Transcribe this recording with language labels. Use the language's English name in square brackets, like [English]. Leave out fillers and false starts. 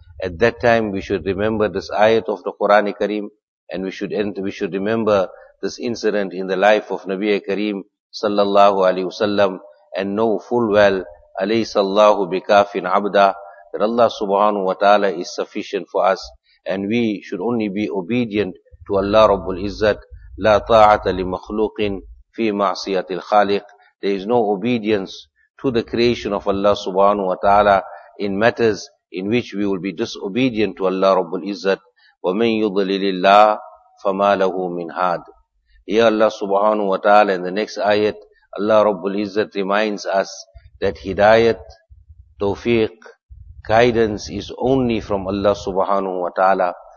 [English] At that time we should remember this ayat of the Qur'an Kareem and we should remember this incident in the life of Nabi Kareem sallallahu alayhi wa sallam and know full well, [Arabic] أَلَيْسَ اللَّهُ بِكَافٍ عَبْدًا, [English] that Allah subhanahu wa ta'ala is sufficient for us. And we should only be obedient to Allah Rabbul Izzat. [Arabic] لا طاعة لمخلوق في معصية الخالق. [English] There is no obedience to the creation of Allah subhanahu wa ta'ala in matters in which we will be disobedient to Allah Rabbul Izzat. [Arabic] وَمَنْ يُضْلِلِ اللَّهِ فَمَا لَهُ مِنْ هَادٍ. [English] Here Allah subhanahu wa ta'ala in the next ayat, Allah Rabbul Izzat reminds us that hidayat, tawfiq, guidance is only from Allah subhanahu wa ta'ala.